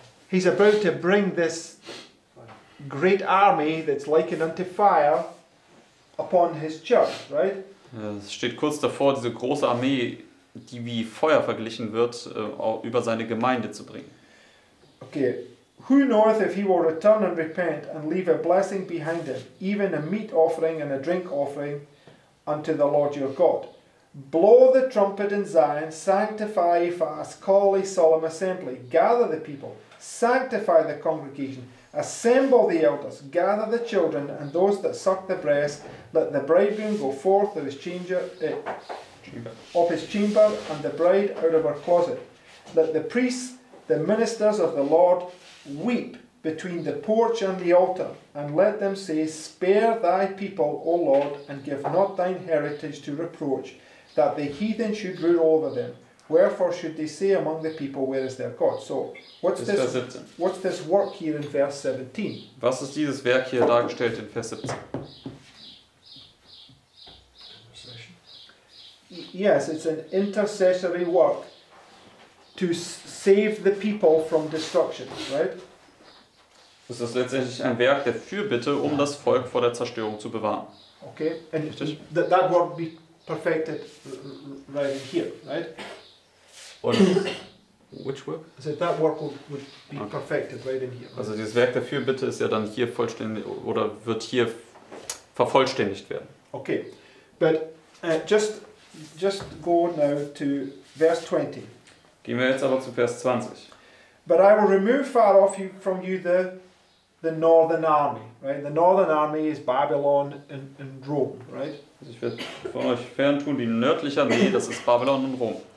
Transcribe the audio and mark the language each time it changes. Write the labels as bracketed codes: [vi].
[en] He's about to bring this great army that's likened unto fire upon his church, right? [de] Es steht kurz davor, diese große Armee, die wie Feuer verglichen wird, über seine Gemeinde zu bringen. [en] Okay. Who knoweth if he will return and repent and leave a blessing behind him, even a meat offering and a drink offering unto the Lord your God? Blow the trumpet in Zion, sanctify ye fast, call a solemn assembly, gather the people, sanctify the congregation, assemble the elders, gather the children and those that suck the breast, let the bridegroom go forth of his chamber and the bride out of her closet. Let the priests, the ministers of the Lord, weep between the porch and the altar, and let them say, spare thy people, O Lord, and give not thine heritage to reproach, that the heathen should rule over them. Wherefore should they say among the people, where is their God? So, what's this work here in verse 17? [de] Was ist dieses Werk hier dargestellt in Vers 17? [en] Yes, it's an intercessory work to save the people from destruction, right? [de] Es ist letztendlich ein Werk der Fürbitte, um das Volk vor der Zerstörung zu bewahren. [en] Okay, and that work be perfected right here, right? Und which work? So that work would be perfected right in here. Right? [de] Also dieses Werk der Fürbitte ist ja dann hier vollständig oder wird hier vervollständigt werden. [en] Okay, but just go now to verse 20. [de] Gehen wir jetzt aber zu Vers 20. [en] But I will remove far off you from you the northern army, right? The northern army is Babylon and Rome, right? [de] Also ich werde von euch fern tun die nördliche Armee, das ist Babylon und Rom.